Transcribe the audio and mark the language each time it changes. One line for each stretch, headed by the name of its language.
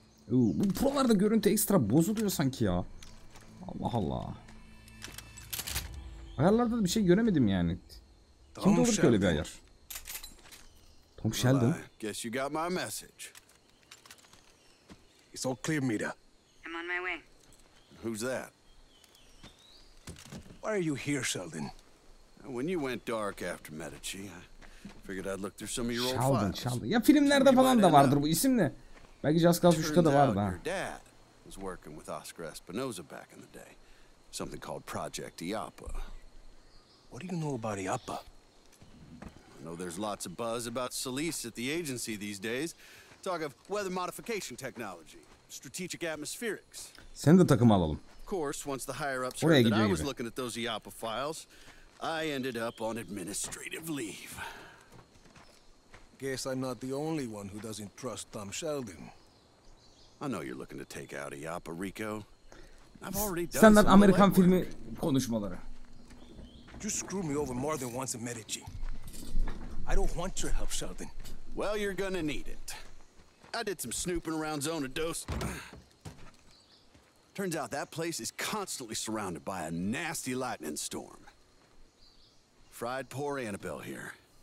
Turkish: Bu buralarda görüntü ekstra bozuluyor sanki ya. Allah Allah. Ayarlarda da bir şey göremedim yani. Kim doldur ki öyle bir ayar?
English: Tom Sheldon. Guess you got my message. It's all clear, Mita. I'm on my way. Who's that? Why are you here, Sheldon? When you went dark after Medici, I figured I'd look through some of your old Sheldon, files. Sheldon.
Turkish: Ya filmlerde falan da vardır bu isim de. Belki Just Cause 3'te de vardı ha.
English: Your dad was working with Oscar Espinoza back in the day. Something called Project Iapa. What do you know about Iapa? I know there's lots of buzz about Solis at the agency these days. Talk of weather modification technology, strategic atmospherics.
Turkish: Sen de takım alalım.
English: Of course, once the higher ups heard that I was looking at those Iapa files, I ended up on administrative leave. Guess I'm not the only one who doesn't trust Tom Sheldon. I know you're looking to take out Iapa, Rico. I've already done
Turkish: standart Amerikan filmi konuşmaları.
English: You screw me over more than once in Medici. I don't want your help, Sheldon. Well, you're gonna need it. I did some snooping around Zona Dos. Turns out that place is constantly surrounded by a nasty lightning storm. Fried poor Annabelle here.